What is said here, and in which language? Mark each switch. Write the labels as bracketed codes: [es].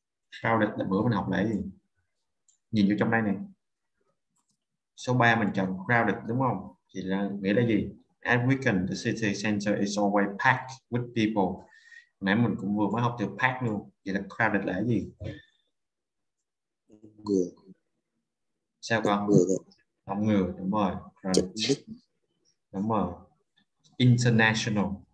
[vi] Sao được là bữa mình học lại gì? Nhìn vô trong đây này. Số 3 mình chọn crowded đúng không? Thì là nghĩa là gì? [en] At weekend the city center is always packed with people. [vi] Nãy mình cũng vừa mới học từ pack luôn. Vậy là crowded là gì? Người. Sao con? Người. Đông người đúng rồi. Crowded. Đúng rồi. International.